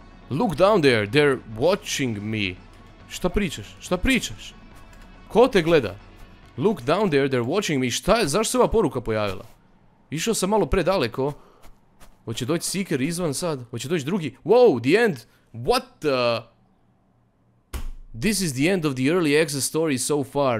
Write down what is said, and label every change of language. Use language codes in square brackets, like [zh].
[en] Look down there, they're watching me. [sr] Šta pričaš, šta pričaš? Ko te gleda? [en] Look down there, they're watching me. [sr] Šta je, zašto se ova poruka pojavila? Išao sam malo predaleko. Hoće doći seeker izvan sad? Hoće doći drugi? [en] Wow, the end! What the... This is the end of the early access story so far.